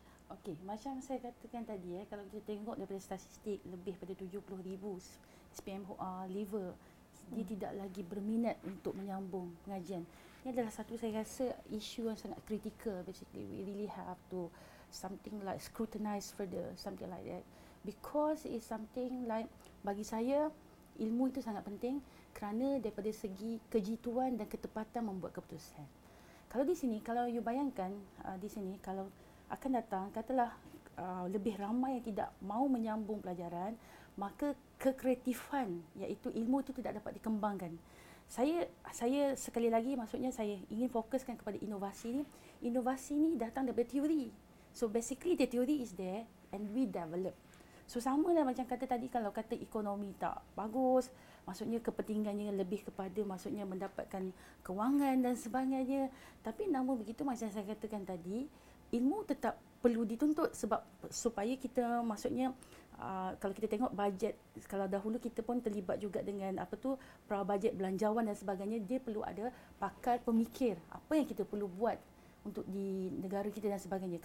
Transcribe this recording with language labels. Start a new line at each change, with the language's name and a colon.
Malay: Okey, macam saya katakan tadi, kalau kita tengok daripada statistik, lebih daripada 70,000 SPM leaver, dia tidak lagi berminat untuk menyambung pengajian. Ini adalah satu, saya rasa, isu yang sangat kritikal.
English: Basically, we really have to something like scrutinize further, something like that. Because it's something like,
Malay: bagi saya, ilmu itu sangat penting kerana daripada segi kejituan dan ketepatan membuat keputusan. Kalau di sini, kalau you bayangkan di sini, kalau akan datang, katalah lebih ramai yang tidak mau menyambung pelajaran, maka kekreatifan, iaitu ilmu itu tidak dapat dikembangkan. Saya sekali lagi, maksudnya saya ingin fokuskan kepada inovasi ini. Inovasi ini datang daripada teori.
English: So basically the theory is there and we develop.
Malay: So sama lah macam kata tadi, kalau kata ekonomi tak bagus, maksudnya kepentingannya lebih kepada maksudnya mendapatkan kewangan dan sebagainya. Tapi namun begitu, macam saya katakan tadi, ilmu tetap perlu dituntut sebab supaya kita maksudnya kalau kita tengok bajet, kalau dahulu kita pun terlibat juga dengan apa tu prabajet belanjawan dan sebagainya, dia perlu ada pakar pemikir apa yang kita perlu buat untuk di negara kita dan sebagainya.